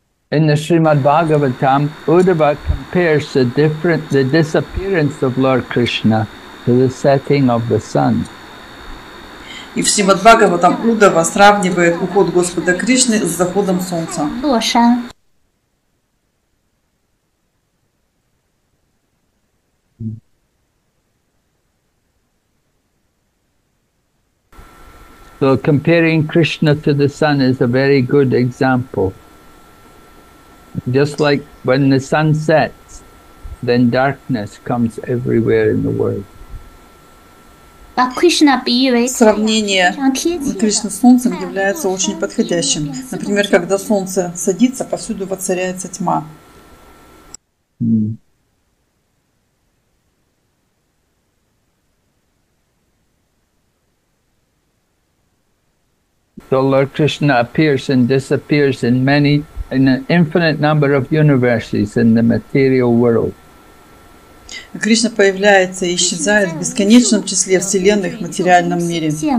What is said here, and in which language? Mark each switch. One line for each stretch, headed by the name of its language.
English: In the Srimad Bhagavatam, Uddhava compares the disappearance of Lord Krishna to the setting of the sun.
Russian: И в Шримад Бхагаватам Уддхава сравнивает уход Господа Кришны с заходом солнца.
English: So comparing Krishna to the sun is a very good example. Just like when the sun sets, then darkness comes everywhere in the world.
Russian: Сравнение Кришны с солнцем является очень подходящим. Например, когда солнце садится, повсюду воцаряется тьма.
English: So Lord Krishna appears and disappears in an infinite number of universes in the material world.
Russian: Кришна появляется и исчезает в бесконечном числе вселенных в материальном мире.